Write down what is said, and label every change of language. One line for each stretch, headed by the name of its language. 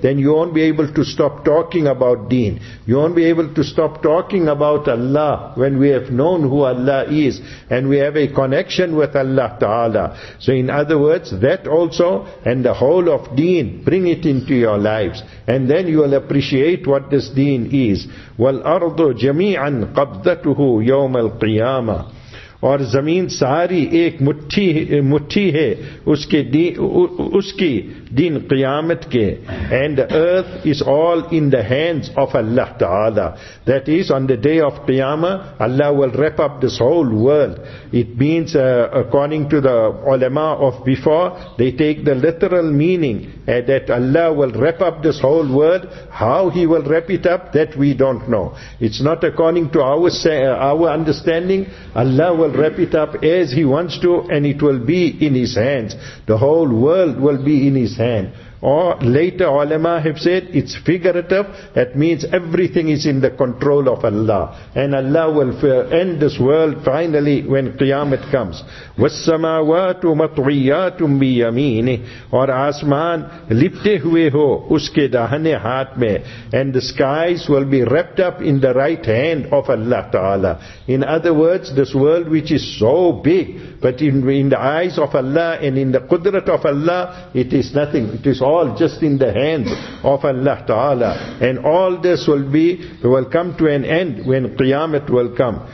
English: Then you won't be able to stop talking about deen. You won't be able to stop talking about Allah when we have known who Allah is and we have a connection with Allah Ta'ala. So in other words, that also and the whole of deen, bring it into your lives. And then you will appreciate what this deen is.
Arabic: وَالْأَرْضُ جَمِيعًا قَبْضَتُهُ يَوْمَ الْقِيَامَةِ
Urdu: اور زمین ساری ایک مٹھی ہے اس کی دن قیامت کے.
English: And the earth is all in the hands of Allah Ta'ala. That is, on the day of Qiyamah, Allah will wrap up this whole world. It means, according to the ulama of before, they take the literal meaning that Allah will wrap up this whole world. How He will wrap it up, that we don't know. It's not according to our understanding. Allah will wrap it up as He wants to, and it will be in His hands. The whole world will be in His hand. Or later ulama have said it's figurative. That means everything is in the control of Allah, and Allah will end this world finally when Qiyamah comes.
Arabic: وَالسَّمَاوَاتُ مَطْوِيَاتٌ بِيَمِينِهِ
Urdu: اور آسمان لپتے ہوئے ہو اس کے دہنے ہاتھ میں.
English: And the skies will be wrapped up in the right hand of Allah Ta'ala. In other words, this world which is so big, but in the eyes of Allah and in the qudrat of Allah, it is nothing. It is all just in the hands of Allah Ta'ala. And all this will come to an end when Qiyamah will come.